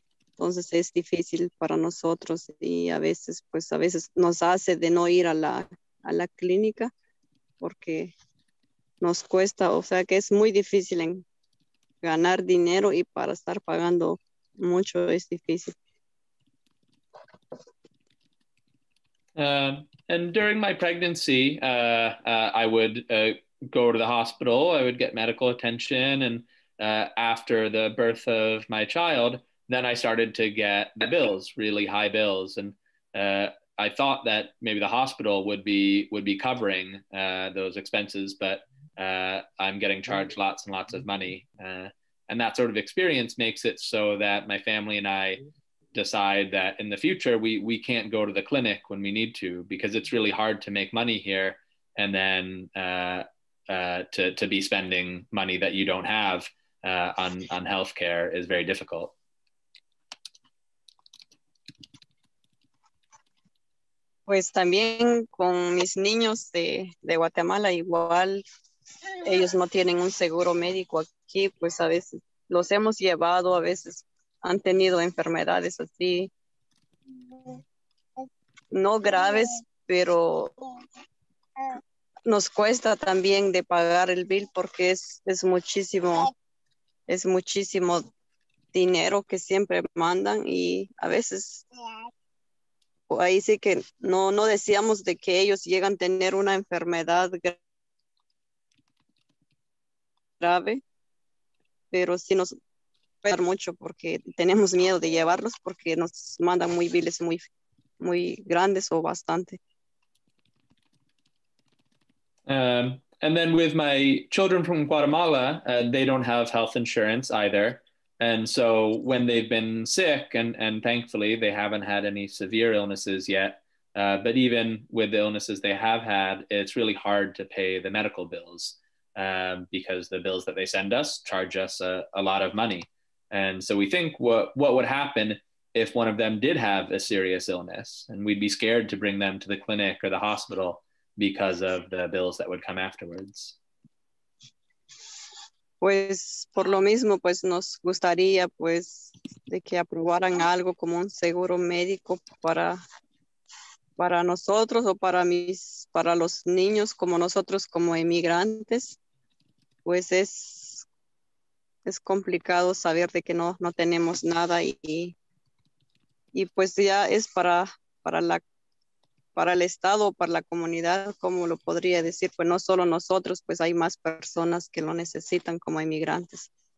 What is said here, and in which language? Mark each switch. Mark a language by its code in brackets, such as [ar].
[es] Entonces es difícil para nosotros y a veces nos hace de no ir a la clínica porque nos cuesta, o sea que es muy difícil en ganar dinero y para estar pagando mucho es difícil. [en] And during my pregnancy, I would go to the hospital, I would get medical attention, and after the birth of my child, then I started to get the bills, really high bills, and I thought that maybe the hospital would be covering those expenses, but I'm getting charged lots and lots of money, and that sort of experience makes it so that my family and I decide that in the future we can't go to the clinic when we need to, because it's really hard to make money here, and then to be spending money that you don't have on healthcare is very difficult. [es] Pues también con mis niños de Guatemala igual, ellos no tienen un seguro médico aquí, pues a veces los hemos llevado, a veces han tenido enfermedades así, no graves, pero nos cuesta también de pagar el bill porque es muchísimo dinero que siempre mandan y a veces ahí sí que no deseamos de que ellos llegan a tener una enfermedad grave, pero sí nos cuesta mucho porque tenemos miedo de llevarlos porque nos mandan muy bills muy muy grandes o bastante. [en] And then with my children from Guatemala, they don't have health insurance either. And so when they've been sick, and thankfully they haven't had any severe illnesses yet, but even with the illnesses they have had, it's really hard to pay the medical bills because the bills that they send us charge us a lot of money. And so we think what would happen if one of them did have a serious illness, and we'd be scared to bring them to the clinic or the hospital because of the bills that would come afterwards. [es] Pues por lo mismo, pues nos gustaría pues de que aprobaran algo como un seguro médico para nosotros o para los niños como nosotros como emigrantes. Pues es complicado saber de que no tenemos nada y pues ya es para el estado, para la comunidad, como lo podría decir, pues no solo nosotros, pues hay más personas que lo necesitan como emigrantes.